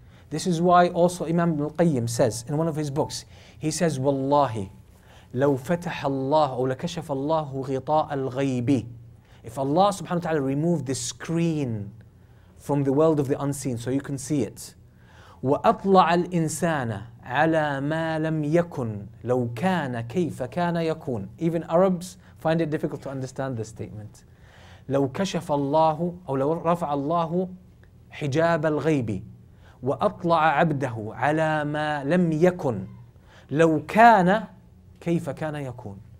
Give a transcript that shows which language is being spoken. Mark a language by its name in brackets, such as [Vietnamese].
[English] This is why also Imam Ibn Al-Qayyim says in one of his books, he says, Wallahi, [Arabic] لو فتح الله أو لكشف الله غطاء الغيب. [English] If Allah subhanahu wa ta'ala removed the screen from the world of the unseen so you can see it. [Arabic] وأطلع الإنسان على ما لم يكن لو كان كيف كان يكون. [English] Even Arabs find it difficult to understand this statement. [Arabic] لو كشف الله أو لو رفع الله حجاب الغيب وأطلع عبده على ما لم يكن لو كان كيف كان يكون.